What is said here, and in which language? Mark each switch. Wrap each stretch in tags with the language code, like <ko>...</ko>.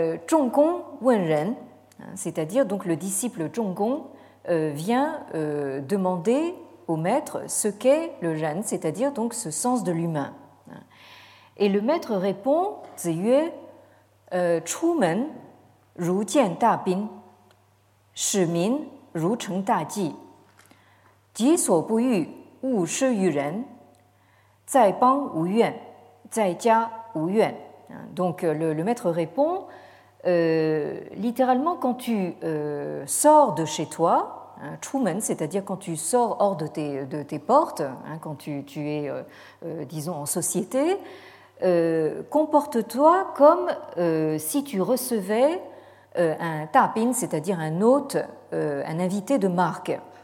<zh>Zhonggong Wen Ren,</zh> <fr>c'est-à-dire donc le disciple Zhonggong vient demander au maître ce qu'est le Ren, c'est-à-dire donc ce sens de l'humain. Et le maître répond</fr> <zh>Ziyue Chu Men Ru Jian Da Bin 使民如承大计，己所不欲，勿施于人，在邦无怨，在家无怨。</zh> <fr>Donc le maître répond, littéralement quand tu sors de chez toi, hein, 出门, c'est-à-dire quand tu sors hors de tes portes, hein, quand tu es, disons, en société, comporte-toi comme si tu recevais un tapin, c'est-à-dire un hôte, un invité de marque.</fr>